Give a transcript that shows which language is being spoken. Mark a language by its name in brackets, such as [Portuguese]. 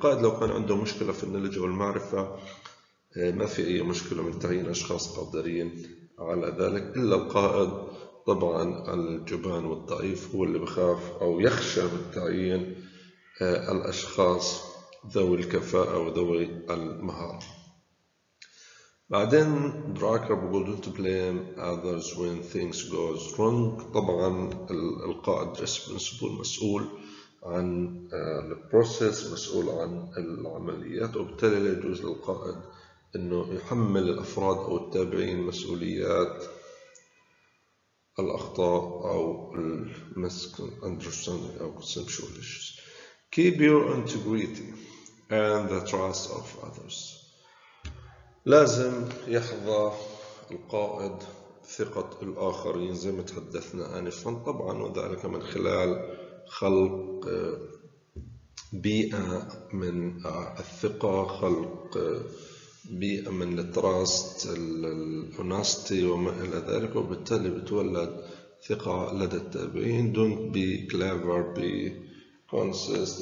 [Arabic] القائد لو كان عنده مشكلة في النولج والمعرفة ما في أي مشكلة من تعيين أشخاص قادرين على ذلك، إلا القائد طبعا الجبان والضعيف هو اللي بخاف أو يخشى بالتعيين الأشخاص ذوي الكفاءة وذوي المهارة. بعدين دراكر بيقول [English] don't blame others when things go wrong. [Arabic] طبعا القائد responsible، مسؤول عن البروسيس، مسؤول عن العمليات، وبالتالي لا يجوز للقائد أنه يحمل الأفراد أو التابعين مسؤوليات الأخطاء أو misunderstanding أو [English] conceptual issues. Keep your integrity and the trust of others. [Arabic] لازم يحظى القائد ثقة الآخرين زي ما تحدثنا آنفا طبعا، وذلك من خلال خلق بيئة من الثقة، خلق بيئة من التراست، الهوناستي وما إلى ذلك، وبالتالي بتولد ثقة لدى التابعين. [English] Don't be clever, be consist.